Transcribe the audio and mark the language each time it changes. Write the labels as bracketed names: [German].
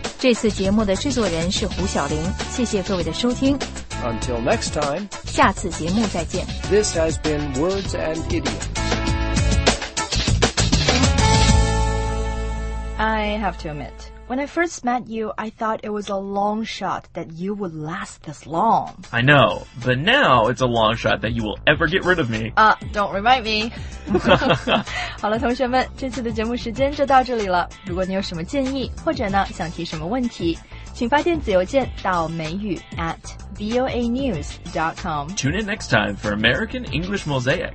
[Chinese] 这次节目的制作人是胡晓玲，谢谢各位的收听。 [English] Until next time， [Chinese] 下次节目再见。 [English] This has been Words and Idioms. I have to admit, when I first met you, I thought it was a long shot that you would last this long. I know, but now it's a long shot that you will ever get rid of me. Don't remind me. [Chinese] 好了，同学们，这次的节目时间就到这里了。如果你有什么建议，或者呢，想提什么问题，请发电子邮件到美语@voanews.com. [English] Tune in next time for American English Mosaic.